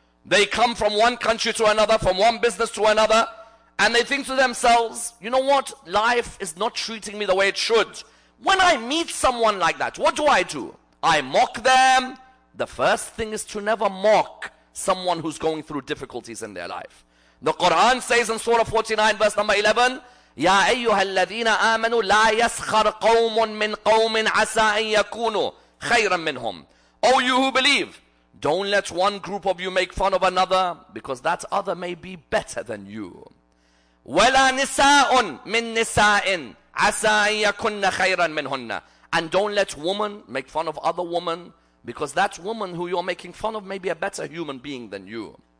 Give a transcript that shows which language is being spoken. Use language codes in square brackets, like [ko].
[en] They come from one country to another, from one business to another, and they think to themselves, you know what? Life is not treating me the way it should. When I meet someone like that, what do? I mock them. The first thing is to never mock someone who's going through difficulties in their life. The Quran says in Surah 49, verse number 11, [ar] يَا أَيُّهَا الَّذِينَ آمَنُوا لَا يَسْخَرْ قَوْمٌ مِّن قَوْمٍ عَسَىٰ أَن يَكُونُوا خَيْرًا مِّنْهُمْ. [en] O you who believe, don't let one group of you make fun of another, because that other may be better than you. [ar] وَلَا نِسَاءٌ مِّن نِسَاءٍ عَسَىٰ أَن يَكُنَّ خَيْرًا مِّنْهُنَّ. [en] And don't let woman make fun of other woman, because that woman who you're making fun of may be a better human being than you.